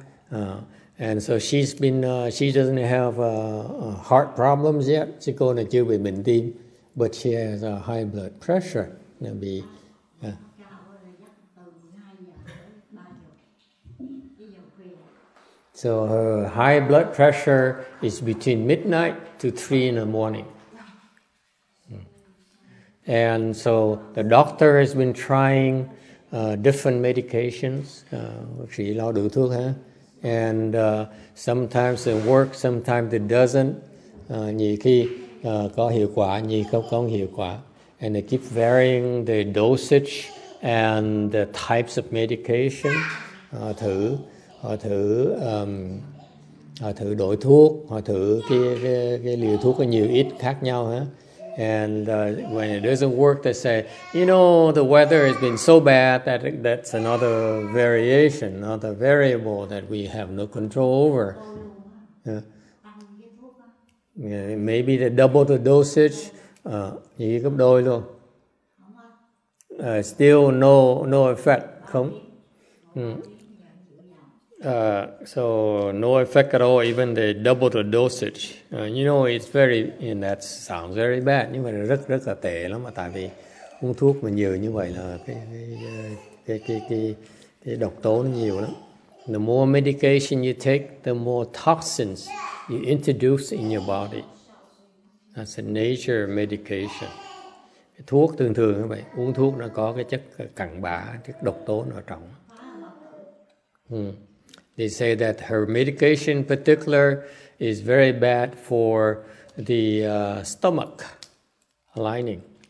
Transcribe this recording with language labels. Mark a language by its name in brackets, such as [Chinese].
[English] And so she's been she doesn't have heart problems yet. [Vietnamese] Chứ cô này chưa bị bệnh tim, [English] but she has a high blood pressure. [Vietnamese] Nó bị [English] So her high blood pressure is between midnight to 3 in the morning. And so the doctor has been trying different medications, [Vietnamese] chỉ lo đủ thuốc ha. [English] And sometimes it works, sometimes it doesn't. [Vietnamese] Nhiều khi có hiệu quả, nhi cốc không hiệu quả. [English] And they keep varying the dosage and the types of medication. [Vietnamese] Họ thử đổi thuốc, họ thử cái liều thuốc có nhiều ít khác nhau ha. [English] And when it doesn't work, they say, you know, the weather has been so bad that that's another variation, another variable that we have no control over. Yeah, maybe they double the dosage, [Vietnamese] nhiều gấp đôi luôn. [English] Still no effect, [Vietnamese] không. [English] So no effect at all, even they double the dosage. You know, it's very, and that sounds very bad, [Vietnamese] nhưng mà rất rất là tệ lắm, mà tại vì uống thuốc mà nhiều như vậy là cái độc tố nó nhiều lắm. [English] The more medication you take, the more toxins you introduce in your body. That's the nature of medication. [Vietnamese] Thuốc thường thường như vậy, uống thuốc nó có cái chất cặn bã, chất độc tố nó trong. [English] They say that her medication in particular is very bad for the stomach lining.